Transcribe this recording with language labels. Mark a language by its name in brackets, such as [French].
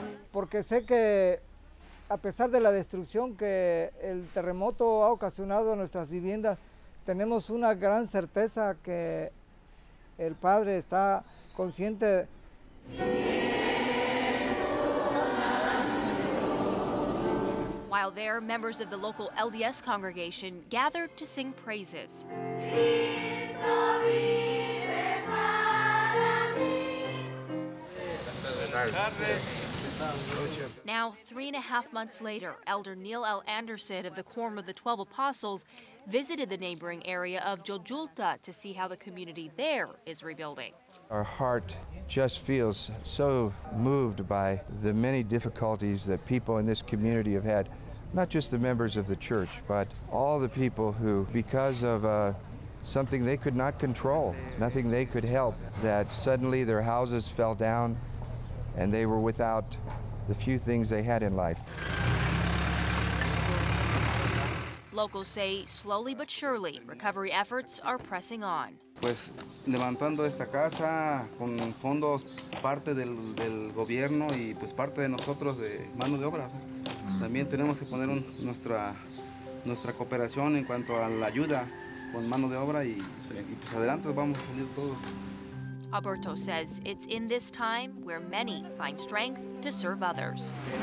[Spanish] Porque sé que a pesar de la destrucción que el terremoto ha ocasionado en nuestras viviendas, tenemos una gran certeza que el Padre está consciente. [English] While there, members of the local LDS congregation gathered to sing praises. Now, 3.5 months later, Elder Neil L. Anderson of the Quorum of the 12 Apostles visited the neighboring area of Jojulta to see how the community there is rebuilding. Our heart just feels so moved by the many difficulties that people in this community have had, not just the members of the church, but all the people who, because of something they could not control, nothing they could help, that suddenly their houses fell down and they were without the few things they had in life. Locals say slowly but surely, recovery efforts are pressing on. [Spanish] Pues levantando esta casa con fondos parte del gobierno y pues parte de nosotros de mano de obra. También tenemos que poner nuestra cooperación en cuanto a la ayuda con mano de obra y pues adelante vamos a salir todos. [English] Alberto says it's in this time where many find strength to serve others.